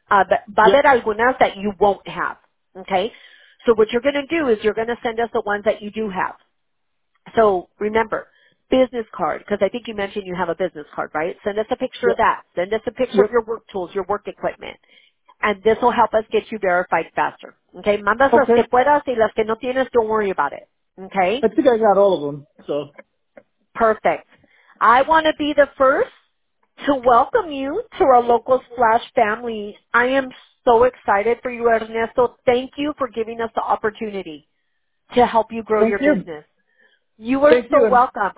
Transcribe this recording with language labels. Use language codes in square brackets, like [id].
[en] But [es] algunas [en] that you won't have, okay? So what you're going to do is you're going to send us the ones that you do have. So remember, business card, because I think you mentioned you have a business card, right? Send us a picture of that. Send us a picture of your work tools, your work equipment. And this will help us get you verified faster, okay? [es] Mandas las que puedas y las que no tienes, [en] don't worry about it, okay? I think I got all of them, so. Perfect. I want to be the first to welcome you to our local Splash family. I am so excited for you, Ernesto. Thank you for giving us the opportunity to help you grow your business. You are so welcome.